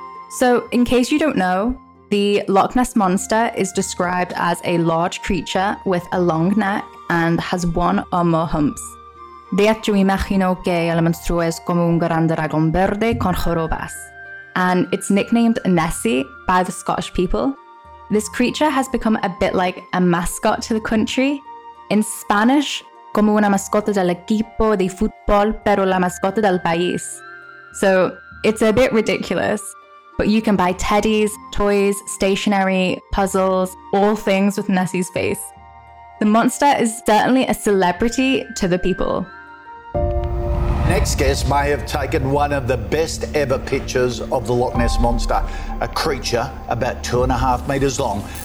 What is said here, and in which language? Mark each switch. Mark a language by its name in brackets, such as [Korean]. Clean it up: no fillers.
[English] So, in case you don't know, the Loch Ness Monster is described as a large creature with a long neck and has one or more humps. [Spanish] De hecho, imagino que el monstruo es como un gran dragón verde con jorobas. [English] And it's nicknamed Nessie by the Scottish people. This creature has become a bit like a mascot to the country. In Spanish, [Spanish] como una mascota del equipo de fútbol, pero la mascota del país. [English] So, it's a bit ridiculous. But you can buy teddies, toys, stationery, puzzles, all things with Nessie's face. The monster is certainly a celebrity to the people. Next guest may have taken one of the best ever pictures of the Loch Ness Monster, a creature about 2.5 meters long.